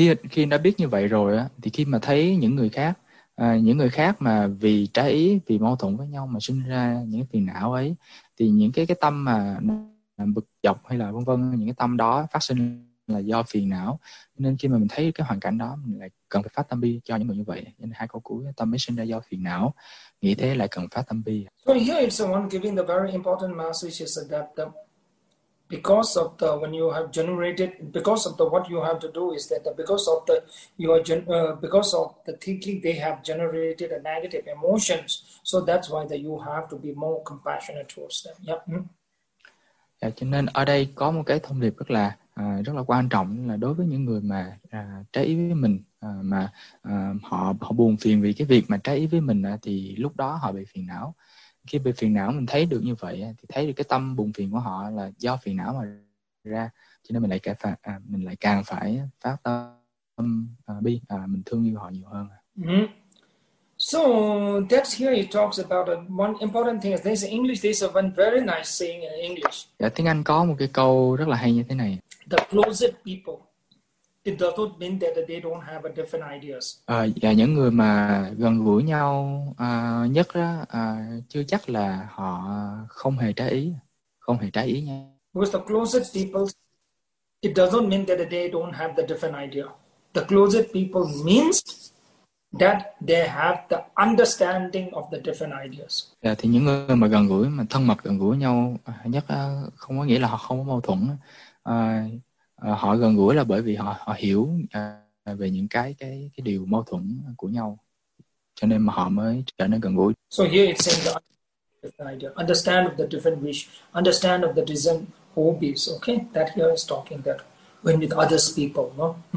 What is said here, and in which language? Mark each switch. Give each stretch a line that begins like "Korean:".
Vietnamese: Khi đã biết như vậy rồi á, thì khi mà thấy những người khác mà vì trái ý, vì mâu thuẫn với nhau mà sinh ra những phiền não ấy, thì những cái tâm mà bực dọc hay là vân vân, những cái tâm đó phát sinh là do phiền não. Nên khi mà mình thấy cái hoàn cảnh đó, mình lại cần phải phát tâm bi cho những người như vậy. Nên hai câu cuối, tâm mới sinh ra do phiền não, nghĩ thế lại cần phát tâm bi.
English: So here is someone giving the very important message is that the, because of the, when you have generated, because of the, what you have to do is that the, because of the, your because of the thinking, they have generated a negative emotions. So that's why that you have to be more compassionate towards them. Yep.
Vietnamese: Dạ, cho nên ở đây có một cái thông điệp rất là quan trọng, là đối với những người mà trái ý với mình, mà họ buồn phiền vì cái việc mà trái ý với mình, thì lúc đó họ bị phiền não. Khi bị phiền não mình thấy được như vậy, thì thấy được cái tâm buồn phiền của họ là do phiền não mà ra, cho nên mình lại càng phải phát tâm bi, mình thương yêu họ nhiều hơn.
English: So that's here he talks about one important thing is this English, this is one very nice saying in English.
Vietnamese: Dạ, tiếng Anh có một cái câu rất là hay như thế này.
English: The closest people, it does not mean that they don't have a different ideas.
Vietnamese: Dạ, những người mà gần gũi nhau nhất đó, chưa chắc là họ không hề trái ý. Không hề trái ý nha.
English: Because the closest people, it does not mean that they don't have the different idea. The closest people means that they have the understanding of the different ideas.
Vietnamese: Yeah, thì những người mà gần gũi, mà thân mật gần gũi nhau nhất, không có nghĩa là họ không có mâu thuẫn. Họ gần gũi là bởi vì họ hiểu về những cái điều mâu thuẫn của nhau, cho nên mà họ mới trở nên gần gũi.
English: So here it's saying the idea, understand of the different wish, understand of the different hobbies. Okay, that here is talking that when with other people, no.